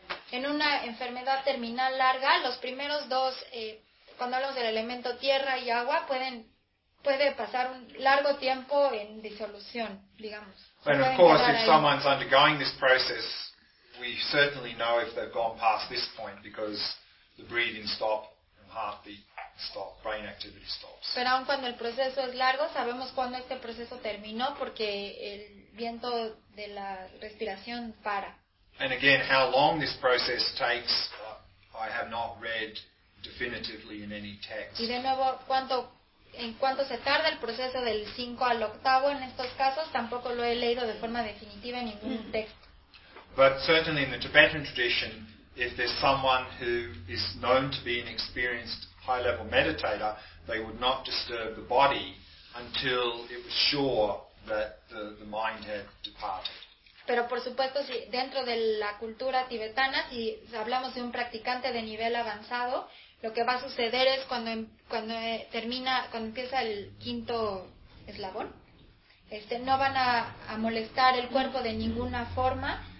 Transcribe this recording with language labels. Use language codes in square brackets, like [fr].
[es] En una enfermedad terminal larga, los primeros dos, cuando hablamos del elemento tierra y agua, puede pasar un largo tiempo en disolución, digamos. [en] And of course, if someone's undergoing this process, we certainly know if they've gone past this point because the breathing stop and heartbeat stop, brain activity stops. [es] Pero aun cuando el proceso es largo, sabemos cuándo este proceso terminó porque el viento de la respiración para. [en] And again, how long this process takes, I have not read definitively in any text. [es] Y de nuevo, ¿en cuánto se tarda el proceso del 5 al 8 en estos casos? Tampoco lo he leído de forma definitiva en ningún texto. [en] But certainly in the Tibetan tradition, if there's someone who is known to be an experienced high-level meditator, they would not disturb the body until it was sure that the mind had departed. [es] Pero por supuesto, si dentro de la cultura tibetana, si hablamos de un practicante de nivel avanzado, lo que va a suceder es cuando empieza el quinto eslabón, no van a molestar el cuerpo de ninguna forma